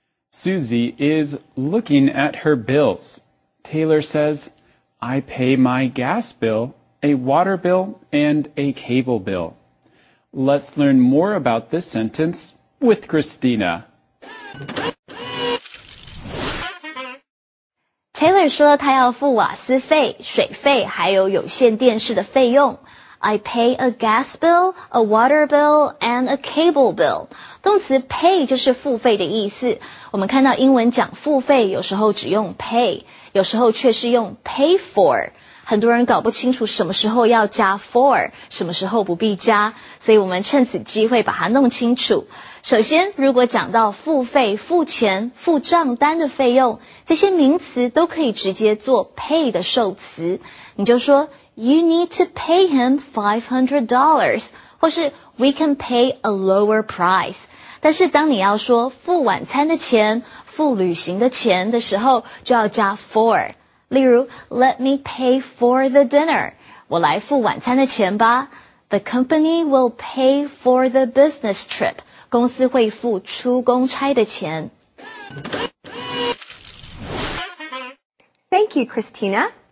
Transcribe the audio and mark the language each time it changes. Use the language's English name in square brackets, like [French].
[English] Susie is looking at her bills. Taylor says, I pay my gas bill, a water bill, and a cable bill. Let's learn more about this sentence with Christina. [Chinese] Taylor 说他要付瓦斯费、水费还有有线电视的费用。 [English] I pay a gas bill, a water bill, and a cable bill. [Chinese] 动词 pay 就是付费的意思。我们看到英文讲付费有时候只用 pay, 有时候却是用 pay for。很多人搞不清楚什么时候要加 for, 什么时候不必加，所以我们趁此机会把它弄清楚。首先，如果讲到付费、付钱、付账单的费用，这些名词都可以直接做 pay 的受词。你就说 [English] ,you need to pay him $500, [Chinese] 或是 [English] we can pay a lower price。 [Chinese] 但是当你要说付晚餐的钱、付旅行的钱的时候，就要加 for。例如 [English] ,let me pay for the dinner, [Chinese] 我来付晚餐的钱吧。 [English] The company will pay for the business trip, [Chinese] 公司会付出公差的钱。 [English] Thank you, Christina.